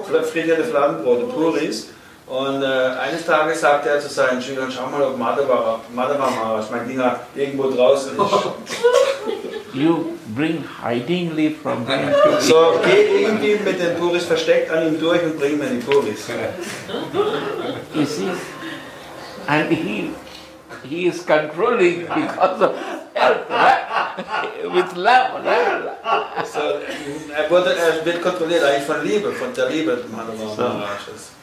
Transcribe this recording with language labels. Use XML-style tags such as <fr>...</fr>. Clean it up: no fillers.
<de>Frittierte Fladenbrote, Puris. Und eines Tages sagte er zu seinen Schülern, schau mal, ob Madhav Maharaj, mein Diener, irgendwo draußen ist.</de> <en>You bring hidingly from him.</en> <de>So geh irgendwie mit den Puris versteckt an ihm durch und bring mir die Puris.</de> <en>You see? And he is controlling because of help, with love,</en> <de>So er wird kontrolliert eigentlich von Liebe, von der Liebe des Madhav Maharajas.</de>